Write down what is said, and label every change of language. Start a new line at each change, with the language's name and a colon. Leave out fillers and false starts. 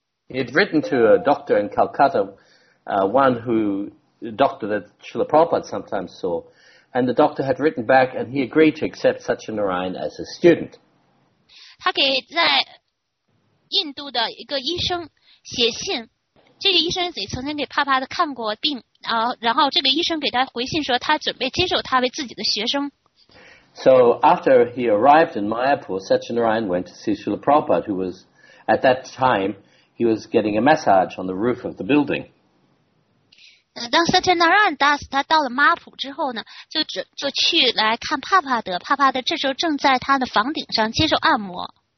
English: He had written to a doctor in Calcutta, a doctor that Srila Prabhupada sometimes saw, and the doctor had written back and he agreed to accept Satyanarayan as a student.
Chinese: 他给在印度的一个医生写信。这个医生也曾经给帕帕德看过病，然后这个医生给他回信说他准备接受他为自己的学生。
English: So after he arrived in Mayapur, Satyanarayan went to see Srila Prabhupada, who was at that time he was getting a massage on the roof of the building.
Chinese: 当 Satyanarayan Das 他到了马普之后呢，就去来看帕帕德，帕帕德这时候正在他的房顶上接受按摩。